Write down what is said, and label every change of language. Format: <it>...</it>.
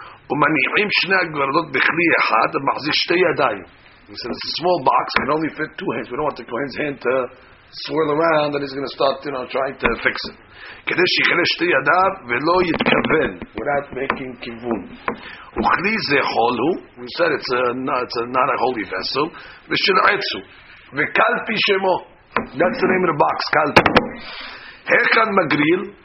<he>ומניעים שני הגורלות בכלי אחד ומחזיר שתי ידיים.</he> <en>He said, it's a small box. It can only fit two hands. We don't want the Kohen's hand to swirl around and he's going to start, you know, trying to fix it.</en> <he>כדי שיחלה שתי ידיו ולא יתכוון.</he> <en>Without making</en> <he>כיוון. וכלי זה חול הוא.</he> <en>We said it's not a holy vessel.</en> <he>ושל עץ הוא. וקלפי שמו.</he> <en>That's the name of the box, קלפי.</en> <he>היכן מגריל?</he>